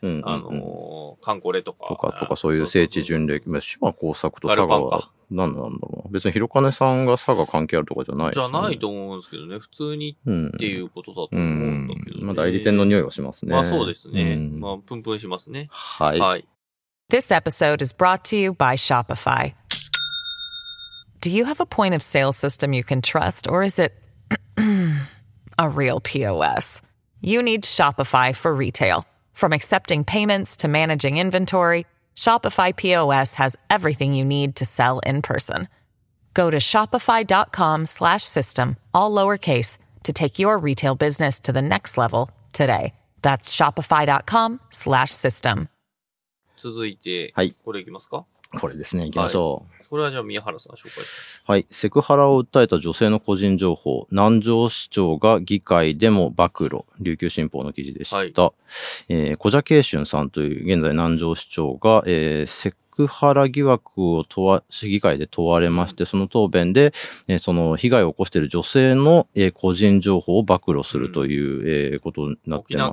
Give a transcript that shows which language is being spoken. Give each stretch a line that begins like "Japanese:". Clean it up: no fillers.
Japanese: うんうんうん、カンコレとか。とかそういう聖地巡礼。そうそうそう島耕作と佐賀は何なんだろう。別に広金さんが佐賀関係あるとかじゃない、ね、じゃないと思うんですけどね。普通にっていうことだと思うんだけど、ねうんうん。まあ代理店の匂いはしますね。まあそうですね。うん、まあプンプンしますね。はい。
English: はい、This episode is brought to you by Shopify. Do you have a point of sale system you can trust or is it a real POS? You need Shopify for retail. From accepting payments to managing inventory, Shopify POS has everything you need to sell in person. Go to shopify.com/system, all lowercase, to take your retail business to the next level today. That's shopify.com/system.
Japanese: 続いて、はい、これいきますか？これですね、いきましょう。はいこれはじゃあ宮原さん紹介します。はい。セクハラを訴えた女性の個人情報、南城市長が議会でも暴露、琉球新報の記事でした。はい。小蛇慶春さんという現在南城市長が、セクハラ疑惑を議会で問われまして、その答弁で、その被害を起こしている女性の、個人情報を暴露するという、うんことになっています